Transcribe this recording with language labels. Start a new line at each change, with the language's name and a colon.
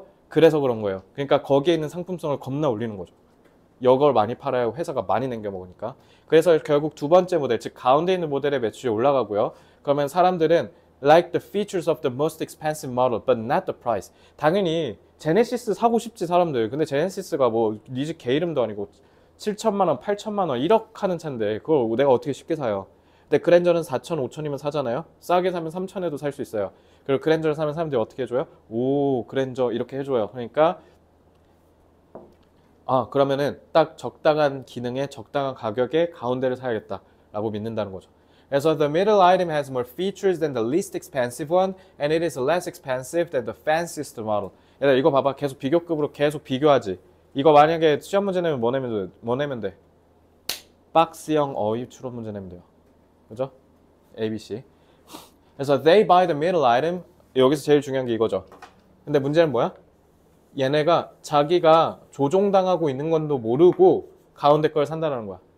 Korean: 그래서 그런 거예요. 그러니까 거기에 있는 상품성을 겁나 올리는 거죠. 이걸 많이 팔아야 회사가 많이 남겨 먹으니까. 그래서 결국 두 번째 모델, 즉 가운데 있는 모델의 매출이 올라가고요. 그러면 사람들은
English: like the features of the most expensive model, but not the price.
Korean: 당연히 제네시스 사고 싶지, 사람들. 근데 제네시스가 뭐 니즈 개 이름도 아니고 7천만 원, 8천만 원, 1억 하는 차인데 그걸 내가 어떻게 쉽게 사요? 근데 그랜저는 4천, 5천이면 사잖아요. 싸게 사면 3천에도 살수 있어요. 그리고 그랜저를 사면 사람들이 어떻게 해줘요? 오, 그랜저 이렇게 해줘요. 그러니까 그러면은 딱 적당한 기능에 적당한 가격에 가운데를 사야겠다라고 믿는다는 거죠. 그래서
English: the middle item has more features than the least expensive one, and it is less expensive than the fanciest model.
Korean: 얘들아, 이거 봐봐. 계속 비교급으로 계속 비교하지. 이거 만약에 시험 문제 내면 뭐 내면 돼? 박스형 어휘 추론 문제 내면 돼요. 그죠?
English: ABC.
Korean: 그래서
English: they buy the middle item.
Korean: 여기서 제일 중요한 게 이거죠. 근데 문제는 뭐야? 얘네가 자기가 조종당하고 있는 건도 모르고 가운데 걸 산다라는 거야.